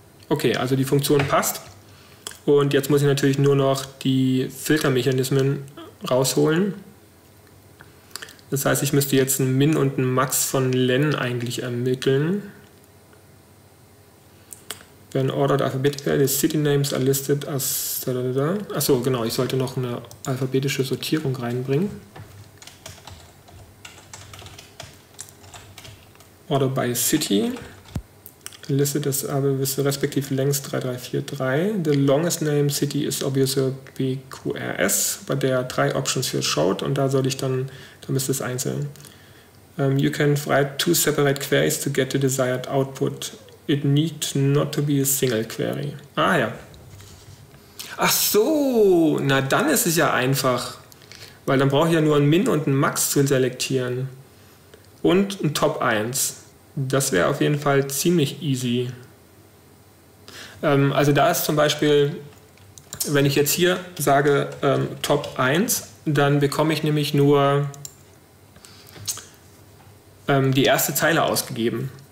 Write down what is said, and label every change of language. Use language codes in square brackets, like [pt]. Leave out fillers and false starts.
[de] Okay, also die Funktion passt. Und jetzt muss ich natürlich nur noch die Filtermechanismen rausholen. Das heißt, ich müsste jetzt ein Min und ein Max von Len eigentlich ermitteln. [en] When ordered alphabetically, the city names are listed as... [de] Achso, genau, ich sollte noch eine alphabetische Sortierung reinbringen. [en] Order by city. Listed as with respective lengths 3343. The longest name city is obviously BQRS, but there are three options for short. [de] Und da soll ich dann, da müsste es einzeln. [en] You can write two separate queries to get the desired output. It need not to be a single query. [de] Ah ja. Ach so, na dann ist es ja einfach. Weil dann brauche ich ja nur ein Min und ein Max zu selektieren. Und ein Top 1. Das wäre auf jeden Fall ziemlich easy. Also da ist zum Beispiel, wenn ich jetzt hier sage Top 1, dann bekomme ich nämlich nur die erste Zeile ausgegeben.